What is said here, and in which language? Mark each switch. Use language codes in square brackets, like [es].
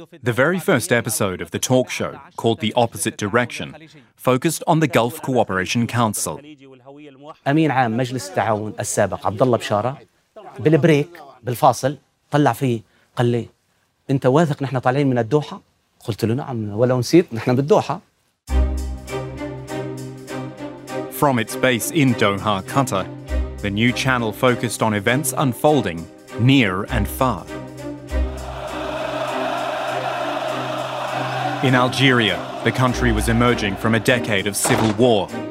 [en] The very first episode of the talk show, called The Opposite Direction, focused on the Gulf Cooperation Council. [ar] أمين عام مجلس التعاون السابق عبد الله بشارة بالبريك بالفاصل طلع فيه قال لي أنت واثق نحن طالعين من الدوحة؟ قلت له نعم ولو نسيت نحن بالدوحة. [en] From its base in Doha, Qatar, the new channel focused on events unfolding near and far. In Algeria, the country was emerging from a decade of civil war.